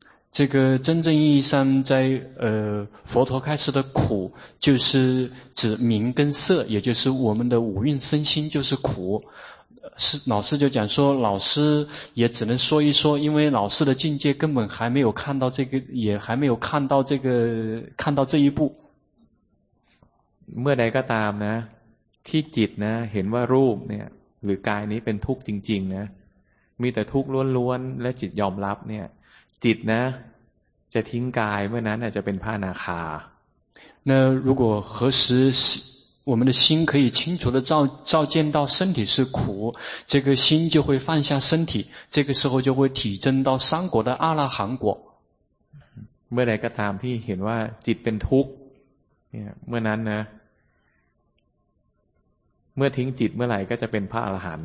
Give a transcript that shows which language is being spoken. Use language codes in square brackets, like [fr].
[zh] 这个真正意义上在佛陀开示的苦就是指名跟色也就是我们的五蕴身心就是苦是老师就讲说老师也只能说一说因为老师的境界根本还没有看到这个也还没有看到这个看到这一步 [th] เมื่อใดก็ตามนะที่จิตนะเห็นว่ารูปเนี่ยหรือกายนี้เป็นทุกข์จริงๆนะมีแต่ทุกข์ล้วนๆและจิตยอมรับเนี่ยจิตนะจะทิ้งกายเมื่อนั้นจะเป็นพระอนาคา [zh] 那如果何时我们的心可以清楚地照见到身体是苦这个心就会放下身体这个时候就会体证到三果的阿拉含果 [th] เมื่อใดก็ตามที่เห็นว่าจิตเป็นทุกข์เนี่ยเมื่อนั้นนะเมื่อทิ้งจิตเมื่อไหร่ก็จะเป็นพระอรหันต